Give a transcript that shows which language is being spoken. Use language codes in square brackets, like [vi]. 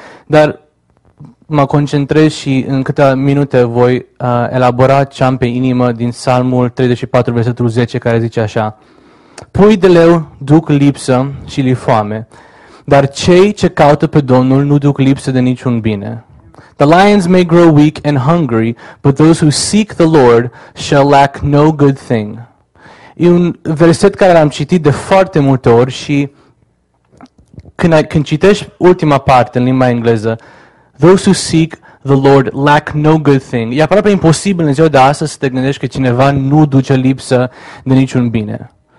[ro] Dar mă concentrez și în câteva minute voi elabora ce am pe inimă din Psalmul 34, versetul 10, care zice așa: pui de leu duc lipsă și li foame, dar cei ce caută pe Domnul nu duc lipsă de niciun bine. [en] The lions may grow weak and hungry, but those who seek the Lord shall lack no good thing. [ro] E un verset care l-am citit de foarte multe ori și când citești ultima parte în limba engleză, [en] those who seek the Lord lack no good thing, [ro] e aproape imposibil în ziua de astăzi să te gândești că cineva nu duce lipsă de niciun bine.